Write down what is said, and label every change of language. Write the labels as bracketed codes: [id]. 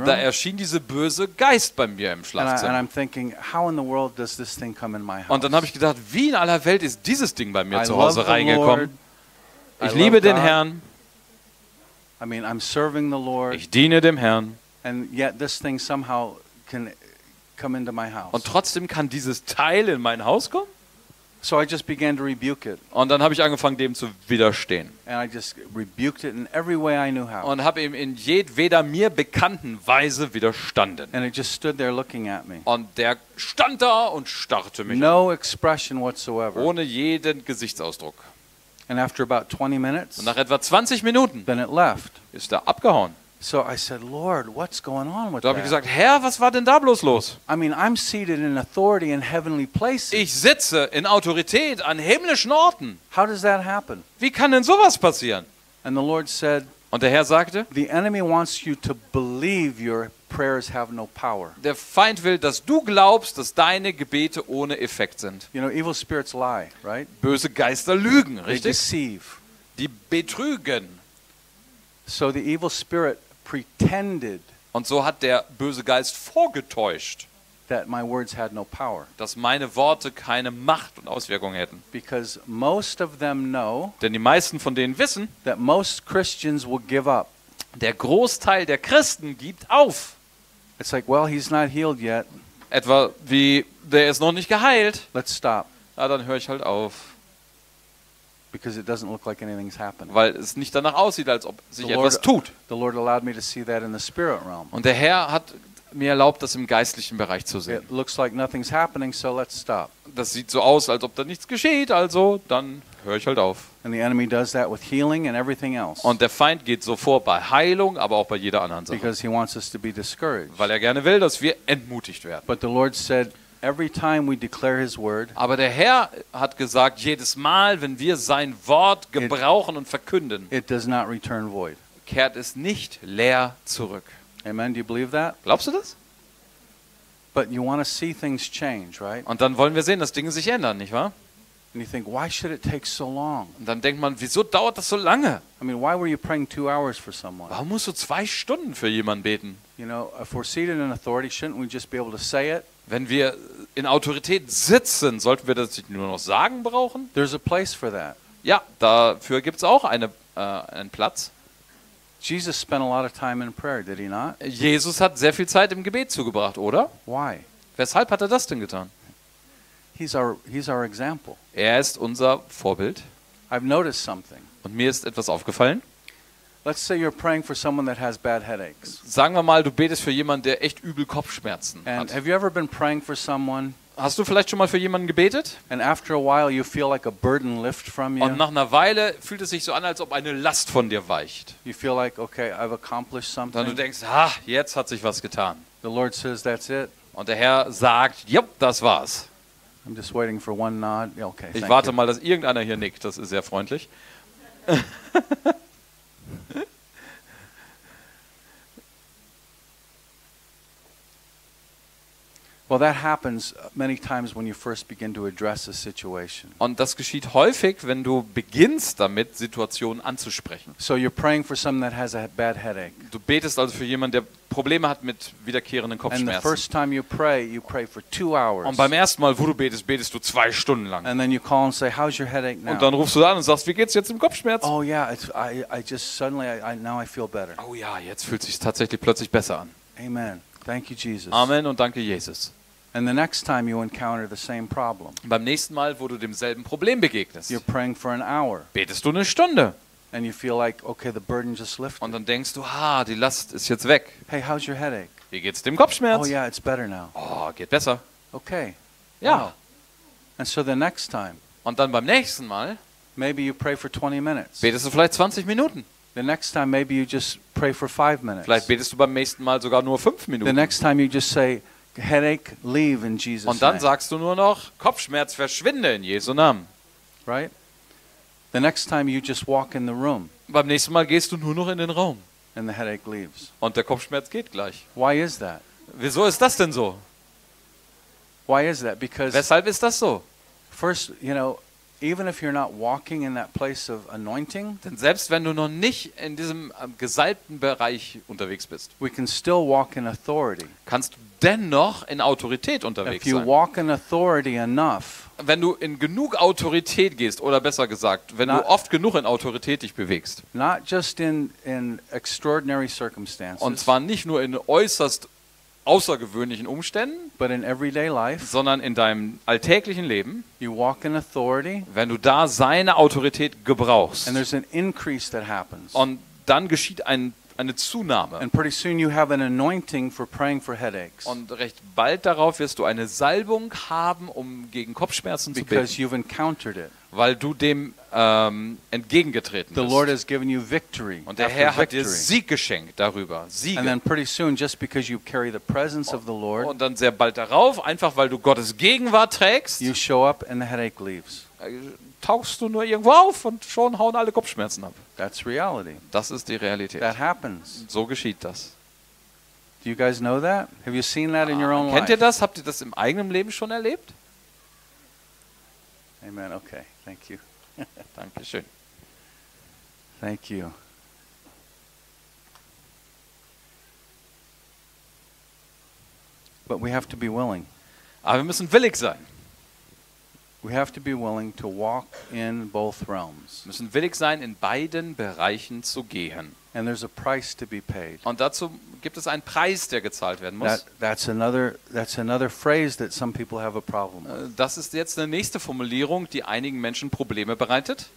[de] Und da erschien dieser böse Geist bei mir im Schlafzimmer. [en] And I'm thinking, how in the world does this thing come in my house? [de] Und dann habe ich gedacht, wie in aller Welt ist dieses Ding bei mir zu Hause reingekommen? Ich liebe den Herrn. [en] I mean, I'm serving the Lord. [de] Ich diene dem Herrn. [en] And yet this thing somehow can come into my house. [de] Und trotzdem kann dieses Teil in mein Haus kommen? [en] So I just began to rebuke it. [de] Und dann habe ich angefangen, dem zu widerstehen. [en] And I just rebuked it in every way I knew how. [de] Und habe ihm in jedweder mir bekannten Weise widerstanden. [en] And it just stood there looking at me. [de] Und der stand da und starrte mich. [en] No [de] an. [en] Expression whatsoever. [de] Ohne jeden Gesichtsausdruck. [en] And after about 20 minutes, [de] und nach etwa 20 Minuten, [en] then it left. [de] Ist er abgehauen. [en] So I said, Lord, what's going on with that? [de] Da habe ich gesagt, Herr, was war denn da bloß los? [en] I mean, I'm seated in authority in heavenly places. [de] Ich sitze in Autorität an himmlischen Orten. [en] How does that happen? [de] Wie kann denn sowas passieren? [en] And the Lord said, [de] und der Herr sagte, [en] the enemy wants you to believe your prayers have no power. [de] Der Feind will, dass du glaubst, dass deine Gebete ohne Effekt sind. [en] You know, evil spirits lie, right? [de] Böse Geister lügen, richtig? [en] They deceive. [de] Die betrügen. [en] So the evil spirit pretended. [de] Und so hat der böse Geist vorgetäuscht, [en] that my words had no power. [de] Dass meine Worte keine Macht und Auswirkung hätten. [en] Because most of them know. [de] Denn die meisten von denen wissen, [en] that most Christians will give up. [de] Der Großteil der Christen gibt auf. [en] It's like, well, he's not healed yet. [de] etwa wie der ist noch nicht geheilt. [en] Let's stop. [de] Ja, dann höre ich halt auf. [en] Because it doesn't look like anything's happening. [de] Weil es nicht danach aussieht, als ob sich etwas tut. [en] The Lord allowed me to see that in the spirit realm. [de] Und der Herr hat mir erlaubt, das im geistlichen Bereich zu sehen. [en] It looks like nothing's happening, so let's stop. [de] Das sieht so aus, als ob da nichts geschieht, also dann höre ich halt auf. [en] And the enemy does that with healing and everything else. [de] Und der Feind geht so vor bei Heilung, aber auch bei jeder anderen Sache. [en] Because he wants us to be discouraged. [de] Weil er gerne will, dass wir entmutigt werden. [en] But the Lord said, every time we declare his word, [de] aber der Herr hat gesagt, jedes Mal, wenn wir sein Wort gebrauchen und verkünden, [en] it does not return void. [de] Kehrt es nicht leer zurück. [en] Amen. Do you believe that? [de] Glaubst du das? [en] But you want to see things change, right? [de] Und dann wollen wir sehen, dass Dinge sich ändern, nicht wahr? [en] And you think, why should it take so long? [de] Und dann denkt man, wieso dauert das so lange? [en] I mean, why were you praying 2 hours for someone? [de] Warum musst du 2 Stunden für jemanden beten? [en] You know, if we're seated in authority, shouldn't we just be able to say it? [de] Wenn wir in Autorität sitzen, sollten wir das nicht nur noch sagen brauchen? [en] There's a place for that. [de] Ja, dafür gibt es auch einen Platz. [en] Jesus spent a lot of time in prayer, did he not? [de] Jesus hat sehr viel Zeit im Gebet zugebracht, oder? [en] Why? [de] Weshalb hat er das denn getan? [en] He's our example. [de] Er ist unser Vorbild. [en] I've noticed something. [de] Und mir ist etwas aufgefallen. [en] Let's say you're praying for someone that has bad headaches. [de] Sagen wir mal, du betest für jemanden, der echt übel Kopfschmerzen hat. [en] And have you ever been praying for someone? [de] Hast du vielleicht schon mal für jemanden gebetet? [en] And after a while you feel like a burden lift from you. [de] Und nach einer Weile fühlt es sich so an, als ob eine Last von dir weicht. [en] You feel like, okay, I've accomplished something. [de] Dann du denkst, jetzt hat sich was getan. [en] The Lord says that's it. [de] Und der Herr sagt, yep, das war's. [en] I'm just waiting for one nod. Okay. [de] Ich warte mal, dass irgendeiner hier nickt, das ist sehr freundlich. [en] Well, that happens many times when you first begin to address a situation. [de] Und das geschieht häufig, wenn du beginnst damit, Situationen anzusprechen. [en] So you're praying for someone that has a bad headache. [de] Du betest also für jemanden, der Probleme hat mit wiederkehrenden Kopfschmerzen. [en] And the first time you pray for 2 hours. [de] Und beim ersten Mal, wo du betest, betest du 2 Stunden lang. [en] And then you call and say, "How's your headache now?" [de] Und dann rufst du an und sagst, wie geht's jetzt im Kopfschmerz? [en] Oh yeah, I feel better. [de] Oh ja, jetzt fühlt sich tatsächlich plötzlich besser an. [en] Amen. Thank you, Jesus. [de] Amen und danke, Jesus. [en] And the next time you encounter the same problem. [de] Beim nächsten Mal, wo du demselben Problem begegnest. [en] You're praying for an hour. [de] Betest du eine Stunde. [en] And you feel like, okay, the burden just lifted. [de] Und dann denkst du, die Last ist jetzt weg. [en] Hey, how's your headache? [de] Wie geht's dem Kopfschmerz? [en] Oh yeah, it's better now. [de] Oh, geht besser. [en] Okay. [de] Ja. Wow. [en] And so the next time. [de] Und dann beim nächsten Mal. [en] Maybe you pray for 20 minutes. [de] Betest du vielleicht 20 Minuten. [en] The next time maybe you just pray for 5 minutes. [de] Vielleicht betest du beim nächsten Mal sogar nur 5 Minuten. [en] The next time you just say headache leave in Jesus' name. [de] Und dann sagst du nur noch Kopfschmerz verschwinde in Jesu Namen. [en] Right? The next time you just walk in the room. [de] Beim nächsten Mal gehst du nur noch in den Raum. [en] And the headache leaves. [de] Und der Kopfschmerz geht gleich. [en] Why is that? [de] Wieso ist das denn so? [en] Why is that? Because [de] weshalb ist das so? [en] First, you know, even if you're not walking in that place of anointing, [de] denn selbst wenn du noch nicht in diesem gesalbten Bereich unterwegs bist, [en] we can still walk in authority. [de] Kannst du dennoch in Autorität unterwegs sein? [en] If you [de] sein. [en] Walk in authority enough, [de] wenn du in genug Autorität gehst, oder besser gesagt, wenn du oft genug in Autorität dich bewegst, [en] not just in extraordinary circumstances, [de] und zwar nicht nur in äußerst außergewöhnlichen Umständen, [en] but in everyday life, [de] sondern in deinem alltäglichen Leben, [en] you walk in authority, [de] wenn du da seine Autorität gebrauchst, [en] and there's an increase that happens. [de] Und dann geschieht eine Zunahme. [en] And pretty soon you have an anointing for praying for headaches. [de] Und recht bald darauf wirst du eine Salbung haben, um gegen Kopfschmerzen zu beten. [en] Because you've encountered it. [de] Weil du dem entgegengetreten bist. [en] The Lord has given you victory. [de] Und der Herr hat dir Sieg geschenkt darüber. Siege. [en] And then pretty soon, just because you carry the presence of the Lord. [de] Und dann sehr bald darauf, einfach weil du Gottes Gegenwart trägst, [en] you show up and the headache leaves. [de] Tauchst du nur irgendwo auf und schon hauen alle Kopfschmerzen ab. [en] That's reality. [de] Das ist die Realität. [en] That happens. [de] So geschieht das. [en] Do you guys know that? Have you seen that in your own life? [de] Kennt ihr das? Habt ihr das im eigenen Leben schon erlebt? [en] Amen. Okay. Thank you. [de] Dankeschön. [en] Thank you. But we have to be willing. [de] Aber wir müssen willig sein. [en] We have to be willing to walk in both realms. [de] Müssen willig sein, in beiden Bereichen zu gehen. [en] And there's a price to be paid. [de] Und dazu gibt es einen Preis, der gezahlt werden muss. [en] That's another phrase that some people have a problem with. [de] Das ist jetzt eine nächste Formulierung, die einigen Menschen Probleme bereitet.